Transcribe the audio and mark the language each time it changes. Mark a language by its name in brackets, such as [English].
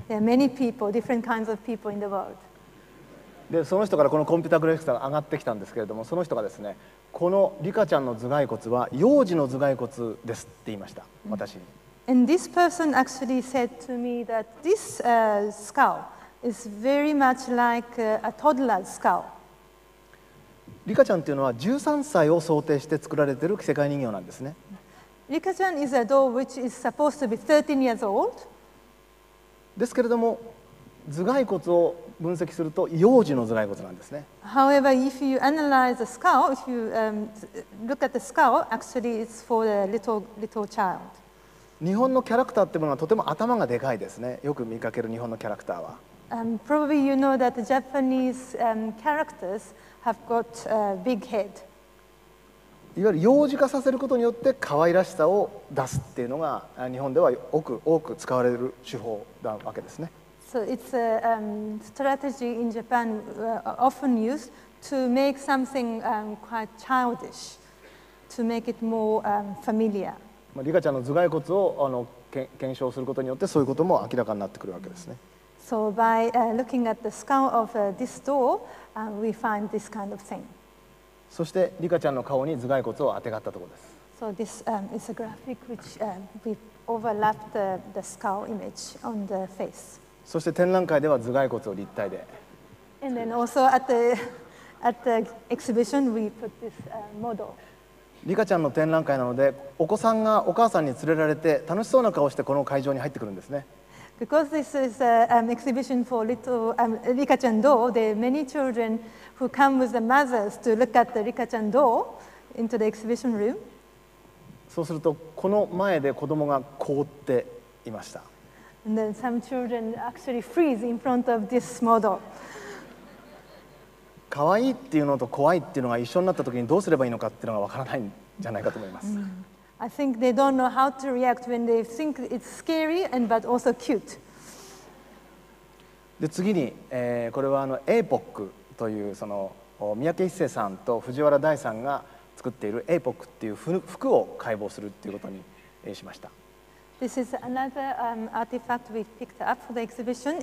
[English] There are many people, different kinds of people in the world. [Japanese] で、その人からこのコンピュータグラフィックスが上がってきたんですけれども、その人がですね、このリカちゃんの頭蓋骨は幼児の頭蓋骨ですって言いました、私に。 [English] And this person actually said to me that this skull is very much like a toddler's skull. [Japanese] リカちゃんっていうのは13歳を想定して作られている奇世界人形なんですね。 [English] リカちゃん is a doll which is supposed to be 13 years old. [Japanese] ですけれども、頭蓋骨を分析すると幼児の頭蓋骨なんですね。 [English] However, if you analyze the skull, if you look at the skull, actually it's for a little child. [Japanese] 日本のキャラクターっていうものはとても頭がでかいですね。よく見かける日本のキャラクターは。 [English] Probably you know that the Japanese characters have got a big head. [Japanese] いわゆる幼児化させることによって可愛らしさを出すっていうのが日本では多く使われる手法なわけですね。 [English] So it's a strategy in Japan often used to make something quite childish, to make it more familiar. [Japanese] まあ、リカちゃんの頭蓋骨を検証することによってそういうことも明らかになってくるわけですね。 [English] So by looking at the skull of this doll, we find this kind of thing. [Japanese] そしてリカちゃんの顔に頭蓋骨を当てがったところです。 [English] So this is a graphic which we overlapped the skull image on the face. [Japanese] そして展覧会では頭蓋骨を立体で。 [English] And then also at the exhibition we put this model. [Japanese] リカちゃんの展覧会なので、お子さんがお母さんに連れられて楽しそうな顔をしてこの会場に入ってくるんですね。 [English] Because this is an exhibition for little リカちゃん doll, there are many children who come with the mothers to look at the リカちゃん doll into the exhibition room. [Japanese] そうするとこの前で子供が凍っていました。 [English] And then some children actually freeze in front of this model. [Japanese] 可愛いっていうのと怖いっていうのが一緒になったときにどうすればいいのかっていうのがわからないんじゃないかと思います。 [English] I think they don't know how to react when they think it's scary and but also cute. [Japanese] で次に、これはエイポックというその三宅一生さんと藤原大さんが作っているエイポックっていう服を解剖するっていうことにしました。 [English] This is another artifact we picked up for the exhibition.